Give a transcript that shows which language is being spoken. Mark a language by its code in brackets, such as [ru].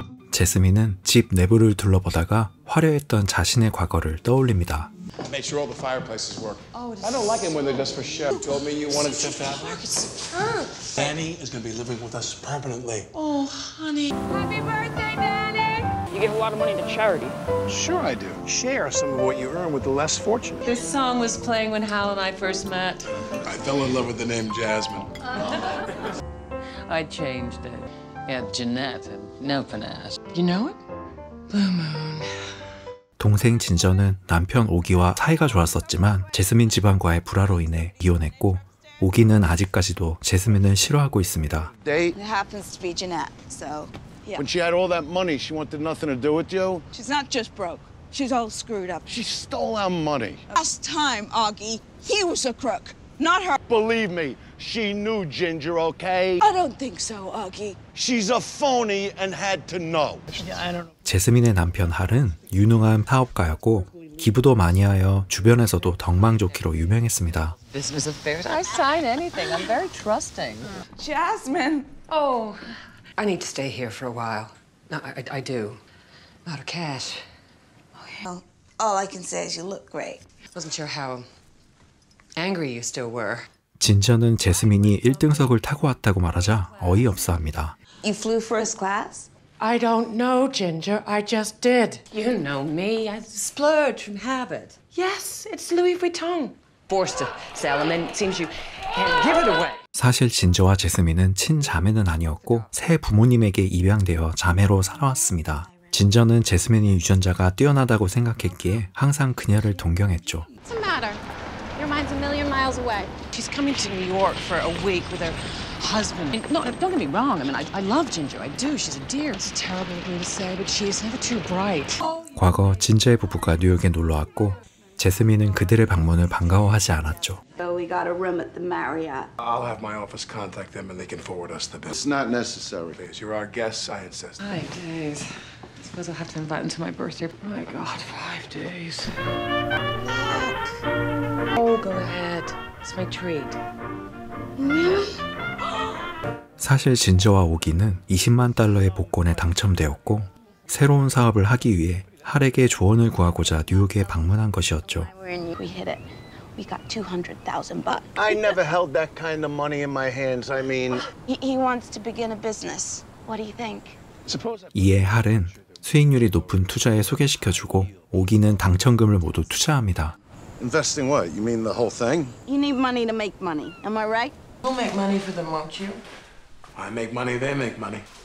[ko] 제스민은 집 내부를 둘러보다가 화려했던 자신의 과거를 떠올립니다. [en] Make sure all the fireplaces work. Oh, I don't like it when they're just for show. You told me you wanted to fit out. Danny is going to be living with us permanently. Oh, honey. Happy birthday, Danny. You give a lot of money to charity. Sure I do. Share some of what you earn with the less fortunate. This song was playing when Hal and I first met. I fell in love with the name Jasmine. I changed it. Yeah, Jeanette and no finesse. You know it? Blue Moon. [ko] 동생 진저는 남편 오기와 사이가 좋았었지만 제스민 집안과의 불화로 인해 이혼했고 오기는 아직까지도 제스민을 싫어하고 있습니다. [en] It happens to be Jeanette. So, yeah. When she had all that money, she wanted nothing to do with you. She's not just broke. She's all screwed up. She stole our money. Last time, Augie, he was a crook, not her. Believe me, she knew Ginger, okay? I don't think so, Augie. She's a phony and had to know. Yeah, I don't know. [ko] 제스민의 남편 할은 유능한 사업가였고 기부도 많이 하여 주변에서도 덕망좋기로 유명했습니다. [en] Business affairs. I sign anything. I'm very trusting. Jasmine. Oh, I need to stay here for a while. No, I do. I'm out of cash. Well, all I can say is you look great. Wasn't sure how angry you still were. [ko] 진저는 제스민이 1등석을 타고 왔다고 말하자 어이없어합니다. [en] You flew first class? I don't know, Ginger. I just did. You know me. I splurged from habit. Yes, it's Louis Vuitton. Forced to sell, and then it seems you can't give it away. [ko] 사실 진저와 제스민은 친자매는 아니었고 새 부모님에게 입양되어 자매로 살아왔습니다. 진저는 제스민이 유전자가 뛰어나다고 생각했기에 항상 그녀를 동경했죠. [en] What's the matter? Your mind's a million miles away. She's coming to New York for a week with her husband. No, don't get me wrong. I mean, I love Ginger. I do. She's a dear. It's terrible of me to say, but she's never too bright. [ko] 과거 진저의 부부가 뉴욕에 놀러 왔고 제스민은 그들의 방문을 반가워하지 않았죠. [en] So we got a room at the Marriott. I'll have my office contact them, and they can forward us the bill. It's not necessary. As you're our guests, I insist. 5 days. I suppose I'll have to invite them to my birthday. My God, 5 days. Oh, go ahead. It's my treat. Really? [ko] 사실 진저와 오기는 20만 달러의 복권에 당첨되었고 새로운 사업을 하기 위해 할에게 조언을 구하고자 뉴욕에 방문한 것이었죠. [en] We hit it. We got 200,000 bucks. I never held that kind of money in my hands. I mean, he wants to begin a business. What do you think? [ko] 이에 할은 수익률이 높은 투자에 소개시켜주고 오기는 당첨금을 모두 투자합니다. [en] Investing what? You mean the whole thing? You need money to make money. Am I right? We'll make money for them, won't you? I make money, they make money.